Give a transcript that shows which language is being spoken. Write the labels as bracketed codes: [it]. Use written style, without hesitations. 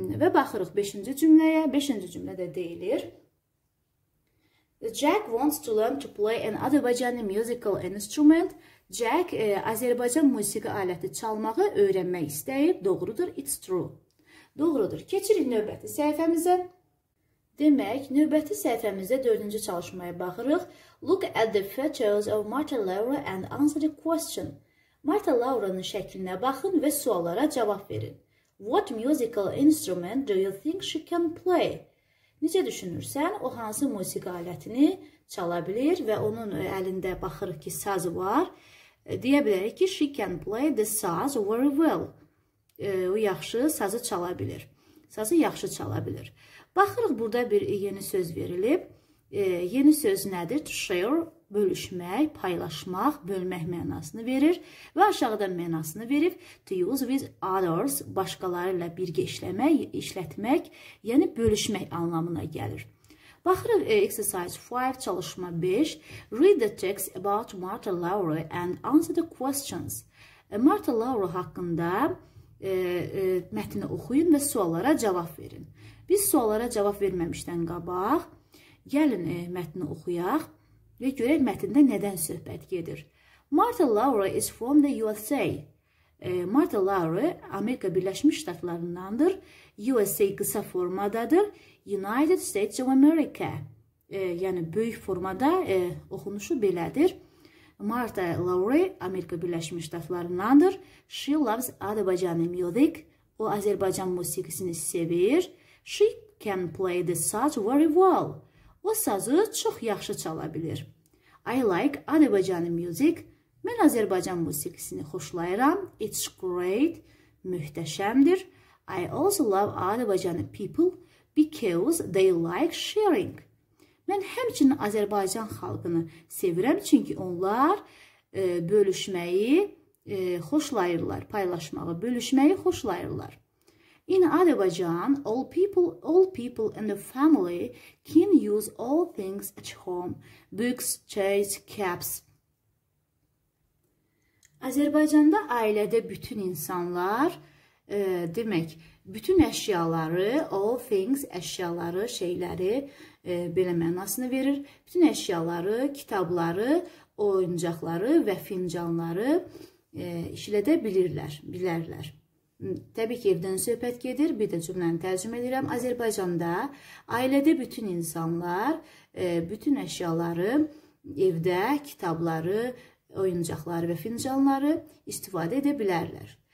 [az] Və baxırıq 5-ci cümləyə. 5-ci cümlədə deyilir: [en] Jack wants to learn to play an Azerbaijani musical instrument. [az] Jack Azerbaycan musiqi aləti çalmağı öyrənmək istəyir. Doğrudur, [en] it's true. [az] Doğrudur. Keçirik növbəti səhifəmizə. Demək, növbəti səhifəmizdə 4-cü çalışmaya baxırıq. [en] Look at the photos of Marta Laura and answer the question. [az] Marta Laura'nın şəklinə baxın və suallara cavab verin. [en] What musical instrument do you think she can play? [az] Necə düşünürsən, o hansı musiqi alətini çala bilir və onun əlində baxırıq ki, saz var. Deyə bilərik ki, [en] she can play the saz very well. [az] O yaxşı sazı çala bilir. Sazı yaxşı çala bilir. Baxırıq, burada bir yeni söz verilib. Yeni söz nədir? [en] To share, [az] bölüşmək, paylaşmaq, bölmək mənasını verir. Və aşağıda mənasını verib. [en] To use with others, [az] başqaları ilə birgə işlətmək, yəni bölüşmək anlamına gəlir. Baxırıq, [en] exercise 5, [az] çalışma 5. [en] Read the text about Marta Laura and answer the questions. [az] Marta Laura haqqında mətni oxuyun və suallara cavab verin. Biz suallara cavab verməmişdən qabaq, gəlin mətni oxuyaq və görək mətndə nədən söhbət gedir. [en] Marta Laura is from the USA. Marta Laura [az] Amerika Birləşmiş Ştatlarındandır. [en] USA [az] qısa formadadır. [en] United States of America. [az] Yəni böyük formada oxunuşu belədir. Marta Laura Amerika Birləşmiş Ştatlarındandır. [en] She loves Azerbaijani music. [az] O Azərbaycan musiqisini sevir. [en] She can play the saz very well. [az] O sazı çox yaxşı çala bilir. [en] I like Azerbaijani music. [az] Mən Azərbaycan musiqisini xoşlayıram. [en] It's great. [az] Möhtəşəmdir. [en] I also love Azerbaijani people because they like sharing. [az] Mən həmçinin Azərbaycan xalqını sevirəm, çünki onlar bölüşməyi xoşlayırlar, paylaşmağı, bölüşməyi xoşlayırlar. [en] In Azerbaijan, all people in the family can use all things at home. Books, chairs, caps. [az] Azerbaycan'da ailede bütün insanlar, demek bütün eşyaları, [en] all things, [az] eşyaları, şeyleri, belə mənasını verir. Bütün eşyaları, kitabları, oyuncaqları və fincanları işlədə bilərlər. Təbii ki, evdən söhbət gedir. Bir də cümləni tərcümə edirəm. Azərbaycanda ailədə bütün insanlar, bütün əşyaları, evdə kitabları, oyuncaqları və fincanları istifadə edə bilərlər.